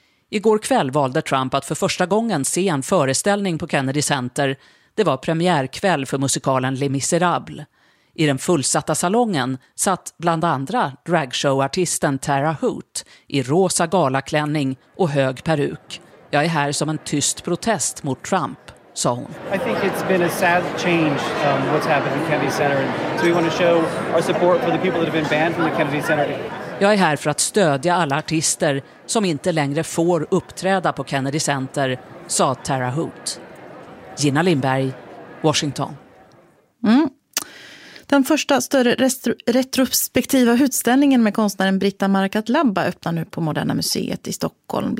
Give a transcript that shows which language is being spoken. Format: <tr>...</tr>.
<sv>Igår kväll valde Trump att för första gången se en föreställning på Kennedy Center. Det var premiärkväll för musikalen Les Misérables. I den fullsatta salongen satt bland andra dragshowartisten Tara Hoot i rosa galaklänning och hög peruk. Jag är här som en tyst protest mot Trump, sa hon.</sv> <en>I think it's been a sad change what's happened in Kennedy Center. So we want to show our support for the people that have been banned from the Kennedy Center.</en> <sv>Jag är här för att stödja alla artister som inte längre får uppträda på Kennedy Center, sa Tara Hoot. Gina Lindberg, Washington. Den första större retrospektiva utställningen med konstnären Britta Markat Labba öppnar nu på Moderna Museet i Stockholm.</sv>